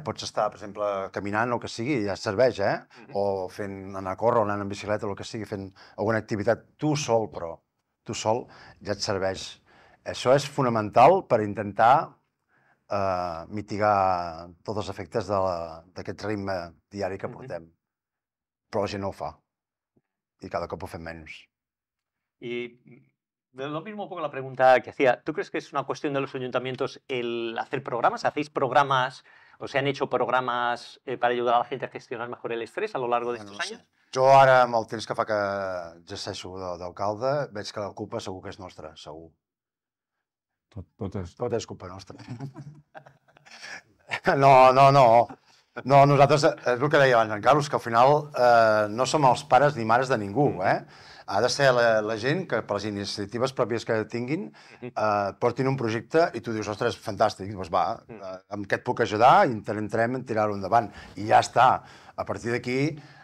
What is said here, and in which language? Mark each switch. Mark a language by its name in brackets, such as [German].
[Catalan] Pots estar, per exemple, caminant o el que sigui, ja et serveix, eh? O fent anar a córrer o anar en bicicleta o el que sigui, fent alguna activitat tu sol, però... tu sol ja et serveix. Això és fonamental per intentar mitigar tots els efectes d'aquest ritme diari que portem. Però la gent no ho fa. I cada cop ho fem menys. [Spanish] I lo mismo un poco la pregunta que hacía. ¿Tú crees que es una cuestión de los ayuntamientos el hacer programas? ¿Hacéis programas o se han hecho programas para ayudar a la gente a gestionar mejor el estrés a lo largo de estos años? [Catalan] Jo ara, amb el temps que fa que exerceixo d'alcalde, veig que la culpa segur que és nostra, segur. Tot és culpa nostra. No, nosaltres, és el que deia abans en Carlos, que al final no som els pares ni mares de ningú, eh? Ha de ser la gent que, per les iniciatives pròpies que tinguin, portin un projecte i tu dius, ostres, fantàstic, doncs va, amb què et puc ajudar, intentarem tirar-ho endavant. I ja està. A partir d'aquí...